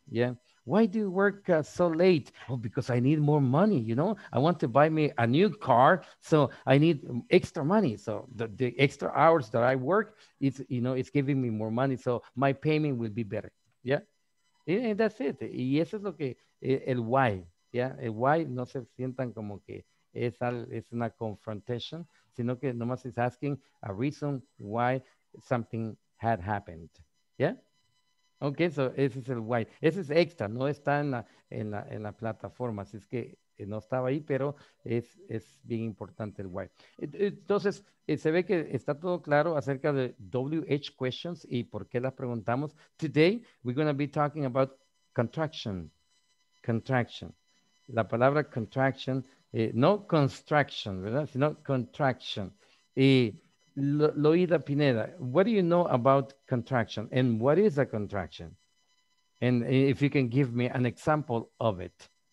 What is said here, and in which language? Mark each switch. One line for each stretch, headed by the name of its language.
English: Yeah. Why do you work so late? Oh, because I need more money, you know? I want to buy me a new car, so I need extra money. So the extra hours that I work, it's, you know, it's giving me more money, so my payment will be better, yeah? And that's it.
Spanish: Y eso es lo que, el why, yeah? El why, no se sientan como que es una confrontation,
English: sino que nomás is asking a reason why something had happened. Yeah?
Spanish: Okay, so ese es el why. Ese es extra, no está en la plataforma, así es que no estaba ahí, pero es bien importante el why. Entonces, se ve que está todo claro acerca de WH questions y por qué las preguntamos.
English: Today, we're going to be talking about contraction. Contraction.
Spanish: La palabra contraction, no construction, ¿verdad? Sino contraction. Y Loida Pineda, what do you know about contraction?
English: And what is a contraction? And if you can give me an example of it.